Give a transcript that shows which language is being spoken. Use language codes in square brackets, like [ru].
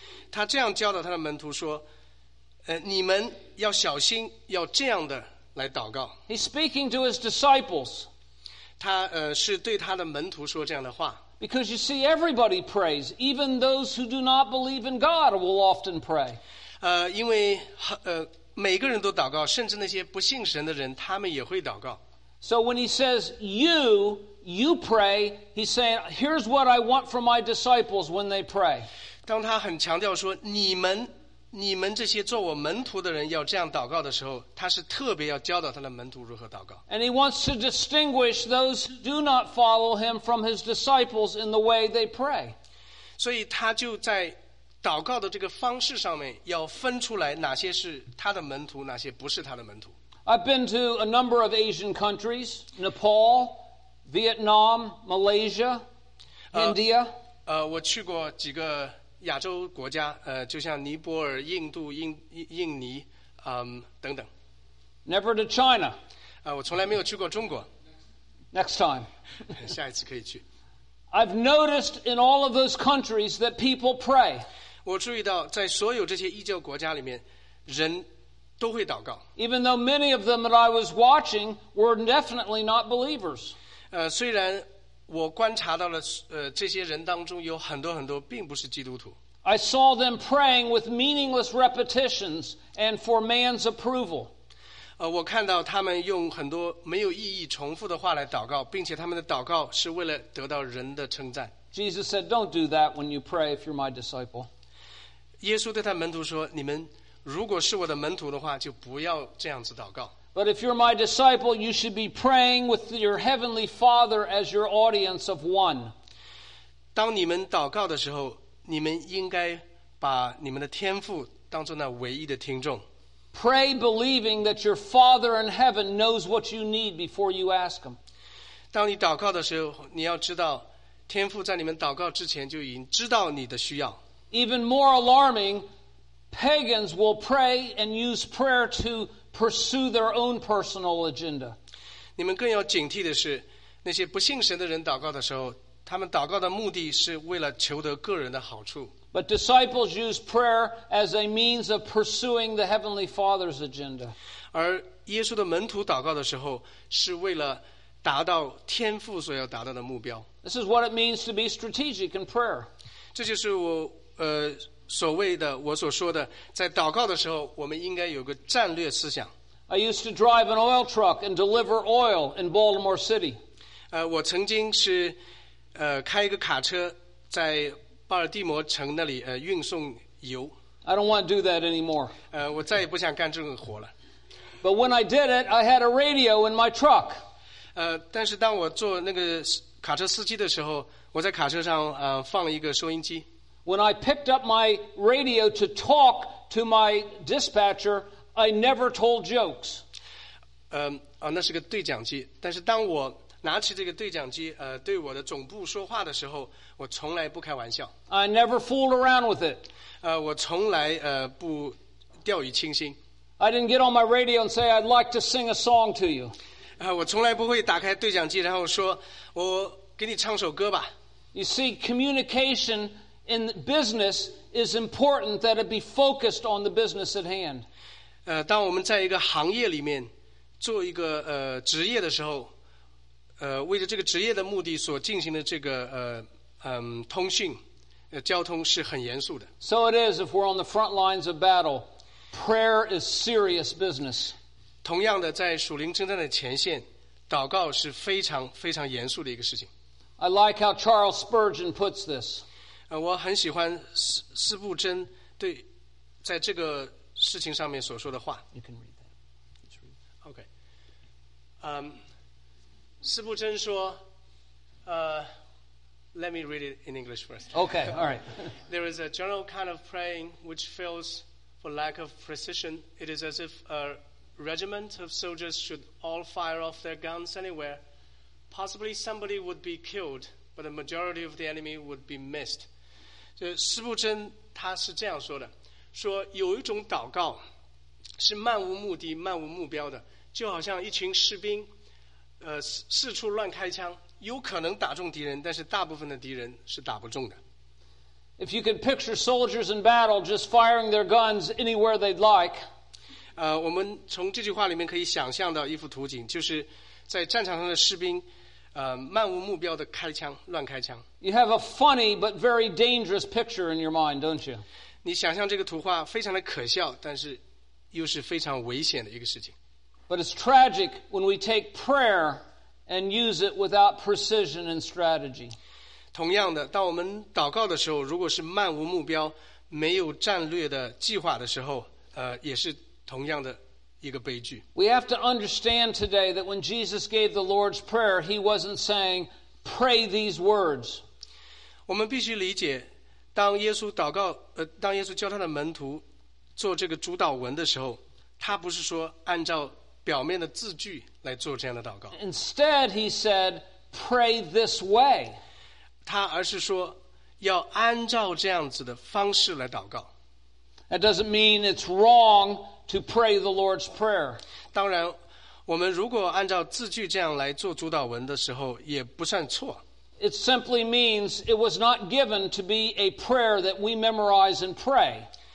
[zh] 他这样教导他的门徒说，你们要小心，要这样的来祷告。 [en] He's speaking to his disciples. [zh] 他是对他的门徒说这样的话。 [en] Because you see, everybody prays. Even those who do not believe in God will often pray. [zh] 因为每个人都祷告，甚至那些不信神的人，他们也会祷告。 [en] So when he says you pray, he's saying, here's what I want from my disciples when they pray. [zh] 当他很强调说你们这些做我门徒的人要这样祷告的时候，他是特别要教导他的门徒如何祷告。 [en] And he wants to distinguish those who do not follow him from his disciples in the way they pray. [zh] 所以他就在祷告的这个方式上面要分出来哪些是他的门徒，哪些不是他的门徒。 [en] I've been to a number of Asian countries, Nepal, Vietnam, Malaysia, India. [zh] 我去过几个亚洲国家，就像尼泊尔、印度、印尼，等等。 [en] Never to China. [zh] 我从来没有去过中国。 [en] Next time. [zh] 下一次可以去。 [en] I've noticed in all of those countries that people pray. [zh] 我注意到在所有这些异教国家里面，人都会祷告。 [en] Even though many of them that I was watching were definitely not believers. [zh] 虽然我观察到了这些人当中有很多很多并不是基督徒。 [en] I saw them praying with meaningless repetitions and for man's approval. [zh] 我看到他们用很多没有意义重复的话来祷告，并且他们的祷告是为了得到人的称赞。 [en] Jesus said, "Don't do that when you pray if you're my disciple." [zh] 耶稣对他门徒说，你们如果是我的门徒的话，就不要这样子祷告。 [en] But if you're my disciple, you should be praying with your heavenly Father as your audience of one. [zh] 当你们祷告的时候，你们应该把你们的天父当作那唯一的听众。 [en] Pray believing that your Father in heaven knows what you need before you ask him. [zh] 当你祷告的时候，你要知道，天父在你们祷告之前就已经知道你的需要。 [en] Even more alarming,Pagans will pray and use prayer to pursue their own personal agenda. [zh] 你们更要警惕的是，那些不信神的人祷告的时候，他们祷告的目的是为了求得个人的好处。 [en] But disciples use prayer as a means of pursuing the Heavenly Father's agenda. [zh] 而耶稣的门徒祷告的时候，是为了达到天父所要达到的目标。 [en] This is what it means to be strategic in prayer. [zh] 这就是我所谓的我所说的，在祷告的时候，我们应该有个战略思想。 [en] I used to drive an oil truck and deliver oil in Baltimore City. [zh] 我曾经是开一个卡车在巴尔的摩城那里运送油。 [en] I don't want to do that anymore. [zh] 我再也不想干这种活了。 [en] But when I did it, I had a radio in my truck. [zh] 但是当我做那个卡车司机的时候，我在卡车上放了一个收音机。 [en] When I picked up my radio to talk to my dispatcher, I never told jokes. [zh] 那是个对讲机。但是当我拿起这个对讲机，对我的总部说话的时候，我从来不开玩笑。 [en] I never fooled around with it. [zh] 我从来不掉以轻心。 [en] I didn't get on my radio and say I'd like to sing a song to you. [zh] 我从来不会打开对讲机，然后说我给你唱首歌吧。 [en] You see, communication. In business, is important that it be focused on the business at hand. [zh] 当我们在一个行业里面做一个职业的时候，为了这个职业的目的所进行的这个通讯，交通是很严肃的。 [en] So it is, if we're on the front lines of battle, prayer is serious business. [zh] 同样的，在属灵征战的前线，祷告是非常非常严肃的一个事情。 [en] I like how Charles Spurgeon puts this. [zh] 我很喜欢斯布珍对在这个事情上面所说的话。 [en] You can read that. Okay. [zh] 斯布珍说， [en] Let me read it in English first. Okay, all right. There is a general kind of praying which fails for lack of precision. It is as if a regiment of soldiers should all fire off their guns anywhere. Possibly somebody would be killed, but the majority of the enemy would be missed. [zh] 斯布珍他是这样说的，说有一种祷告是漫无目的、漫无目标的，就好像一群士兵，四处乱开枪。有可能打中敌人，但是大部分的敌人是打不中的。 [en] If you can picture soldiers in battle just firing their guns anywhere they'd like, [zh] 我们从这句话里面可以想象到一幅图景，就是在战场上的士兵，漫无目标的开枪，乱开枪。 [en] You have a funny but very dangerous picture in your mind, don't you? [zh] 你想象这个图画非常的可笑，但是又是非常危险的一个事情。 [en] But it's tragic when we take prayer. And use it without precision and strategy. [zh] 同样的，当我们祷告的时候，如果是漫无目标、没有战略的计划的时候，也是同样的一个悲剧。 [en] We have to understand today that when Jesus gave the Lord's Prayer, He wasn't saying, "Pray these words." [zh] 我们必须理解，当耶稣祷告，当耶稣教他的门徒做这个主祷文的时候，他不是说按照。表面的字句来做这样的祷告。 [en] Instead, he said, "Pray this way." [zh] 他而是说要按照这样子的方式来祷告。 [en] That doesn't mean it's wrong to pray the Lord's Prayer. [zh] 当然，我们如果按照字句这样来做主祷文的时候，也不算错。 [en] It simply means it was not given to be a prayer that we memorize and pray.